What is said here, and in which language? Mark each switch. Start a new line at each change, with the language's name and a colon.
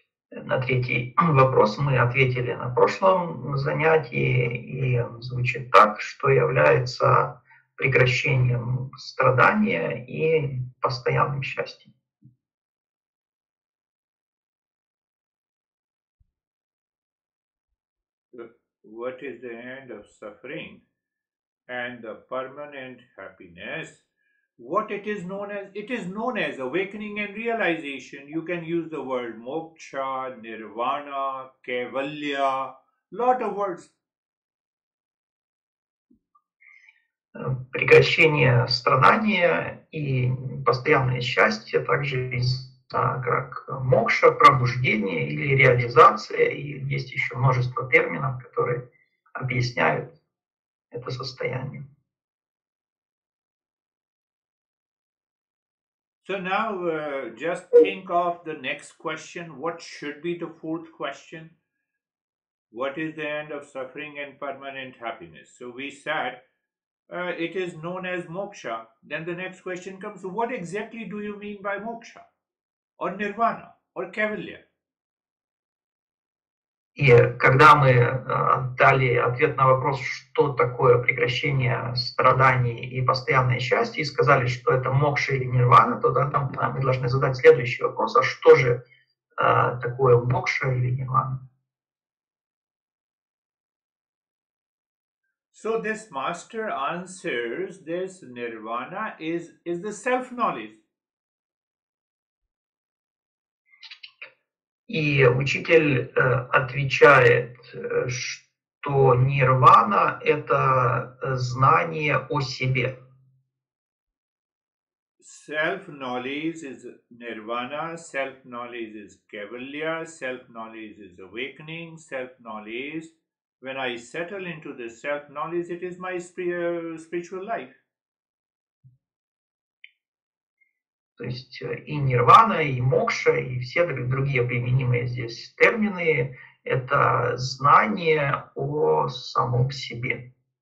Russian: На третий вопрос мы ответили на прошлом занятии, и он звучит так, что является прекращением страдания и постоянным счастьем.
English: What is the end of suffering and the permanent happiness? What it is known as? It is known as awakening and realization. You can use the word moksha, nirvana, kaivalya, lot of words.
Russian: Прекращение страдания и постоянное счастье, также как мокша, пробуждение или реализация. И есть еще множество терминов, которые объясняют это состояние.
English: So now just think of the next question. What should be the fourth question? What is the end of suffering and permanent happiness? So we said it is known as moksha. Then the next question comes, what exactly do you mean by moksha or nirvana or kaivalya?
Russian: И когда мы дали ответ на вопрос, что такое прекращение страданий и постоянное счастье, и сказали, что это мокша или нирвана, то да, там мы должны задать следующий вопрос, а что же такое мокша или нирвана?
English: So this master answers this nirvana is the self-knowledge.
Russian: И учитель отвечает, что нирвана – это знание о себе.
English: Self-knowledge is nirvana, self-knowledge is kaivalya, self-knowledge is awakening, self-knowledge. When I settle into the self-knowledge, it is my spiritual life.
Russian: То есть и нирвана, и мокша, и все другие применимые здесь термины – это знание о самом себе.